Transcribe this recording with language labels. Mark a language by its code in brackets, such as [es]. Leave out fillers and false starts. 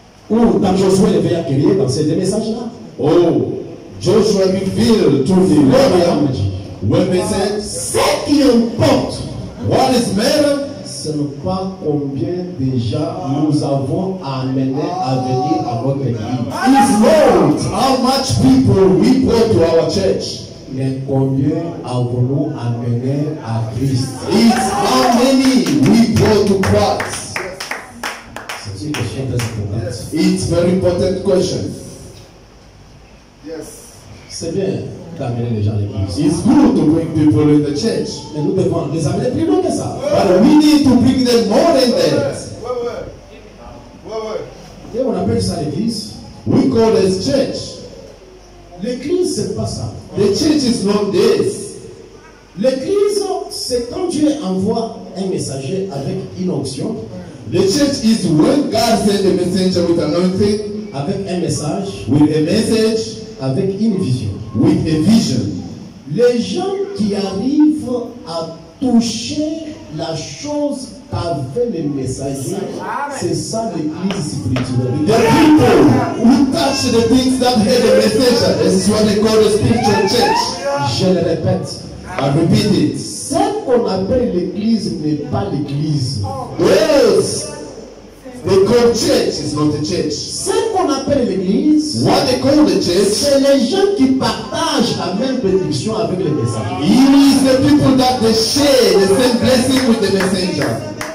[fr] ou dans Josué le veillant qui riait dans ces deux messages-là. [en] Oh, Joshua revealed to the Lord. When they say, [fr] ce qui importe, [en] what is matter, [fr] ce n'est pas combien de gens nous avons amené à venir à votre église. [en] It's not how much people we brought to our church, [fr] mais combien avons-nous amené à Christ. [en] It's how many we brought to Christ. [fr] C'est une question très importante. [en] It's a very important question. Yes. [fr] C'est bien. [en] It's good to bring people in the church. [fr] Mais nous devons les amener plus loin que ça. [en] But we need to bring them more than that. [fr] Ouais. Et on appelle ça l'église. [en] We call this church. [fr] L'église, ce n'est pas ça. [en] The church is not this. [fr] L'église, c'est quand Dieu envoie un messager avec une onction. [en] The church is when God sends a messenger with anointing. [fr] Avec un message. [en] With a message. [fr] Avec une vision. [en] With a vision. [fr] Les gens qui arrivent à toucher la chose avec le messager, c'est ça l'église spirituelle. [en] The people who touch the things that have the messenger, this is what they call the spiritual church. [fr] Je le répète. [en] I repeat it. [fr] Ce qu'on appelle l'église n'est pas l'église. [en] Yes. They call church is not a church. [fr] Ce qu'on appelle l'église, [en] what they call the church, [fr] c'est les gens qui partagent la même bénédiction avec le messager. [en] It is the people that they share the same blessing with the messenger.